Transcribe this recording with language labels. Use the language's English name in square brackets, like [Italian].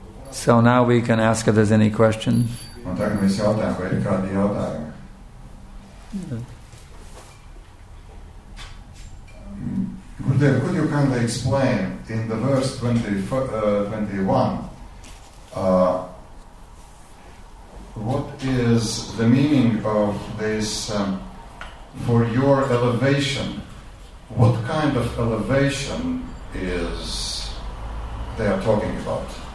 [English] So now we can ask if there's any questions. [Latvian] Un tagad mēs jautājam, vai ir kādi jautājumi. [English] Gurudeva, could you kindly explain in the verse 21 what is the meaning of this for your elevation? What kind of elevation is they are talking about?